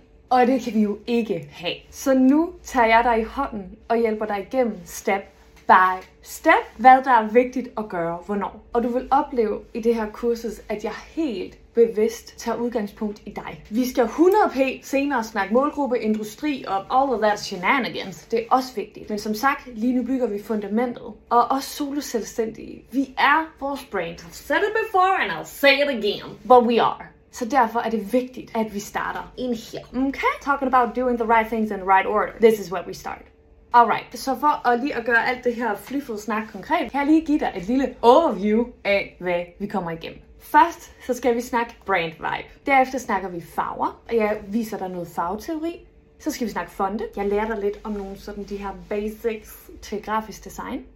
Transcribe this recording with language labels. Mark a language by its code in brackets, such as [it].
[da] Og det kan vi jo ikke have. Så nu tager jeg dig i hånden og hjælper dig igennem step by step, hvad der er vigtigt at gøre, hvornår. Og du vil opleve i det her kursus, at jeg helt bevidst tager udgangspunkt i dig. Vi skal 100% senere snakke målgruppe, industri og [en] all of that shenanigans. [da] Det er også vigtigt. Men som sagt, lige nu bygger vi fundamentet. Og os soloselvstændige. Vi er vores brand. [en] I've said it before and I'll say it again. But we are. [da] Så derfor er det vigtigt, at vi starter [en] in here. Okay? Talking about doing the right things in the right order. This is where we start. [da] Alright, så for at lige at gøre alt det her flyfodsnak konkret, kan jeg lige give dig et lille overview af, hvad vi kommer igennem. Først så skal vi snakke brand vibe. Derefter snakker vi farver, og jeg viser dig noget farveteori. Så skal vi snakke fonde. Jeg lærer dig lidt om nogle sådan de her basics til grafisk design.